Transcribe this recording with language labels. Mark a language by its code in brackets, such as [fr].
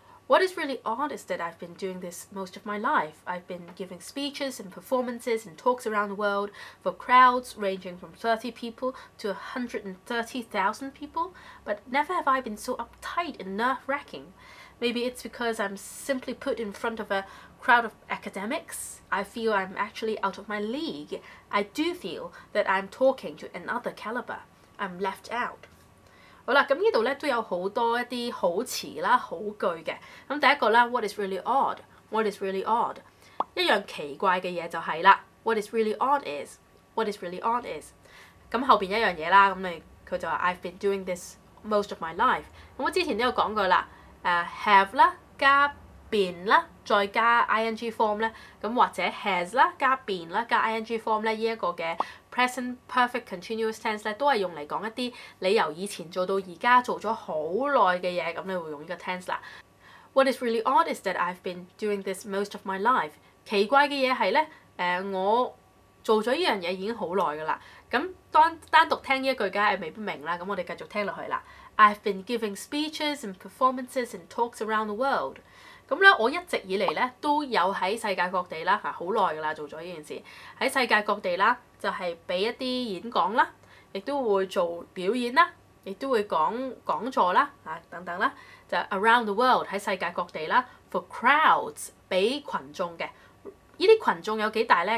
[en] What is really odd is that I've been doing this most of my life. I've been giving speeches and performances and talks around the world for crowds ranging from 30 people to 130,000 people, but never have I been so uptight and nerve-wracking. Maybe it's because I'm simply put in front of a crowd of academics. I feel I'm actually out of my league. I do feel that I'm talking to another caliber. I'm left out. [yue] 好啦，咁呢度咧都有好多一啲好詞啦、好句嘅。咁第一個啦 ， [en] what is really odd？ [yue] What is really odd？一樣奇怪嘅嘢就係啦 ， [en] what is really odd is？ [yue] What is really odd is？咁後邊一樣嘢啦，咁你佢就話 [en] I've been doing this most of my life。 [yue] 咁我之前都有講過啦，have 啦加 been 啦，再加 ing form 咧，咁或者 has 啦加 been 啦加 ing form 咧，一個嘅。 Present perfect continuous tense 咧，都係用嚟講一啲你由以前做到而家做咗好耐嘅嘢，咁你會用呢個 tense 啦。 [en] What is really odd is that I've been doing this most of my life。 [yue] 奇怪嘅嘢係咧，我做咗依樣嘢已經好耐噶啦。咁當單獨聽依一句，梗係未必明啦。咁我哋繼續聽落去啦。 [en] I've been giving speeches and performances and talks around the world。 [yue] 咁咧，我一直以嚟咧都有喺世界各地啦，嚇好耐噶啦，做咗依件事喺世界各地啦。就係俾一啲演講啦，亦都會做表演啦，亦都會講座啦，啊等等啦，就 [en] around the world [yue] 喺世界各地啦 ， [en] for crowds [yue] 俾群眾嘅，依啲群眾有幾大咧？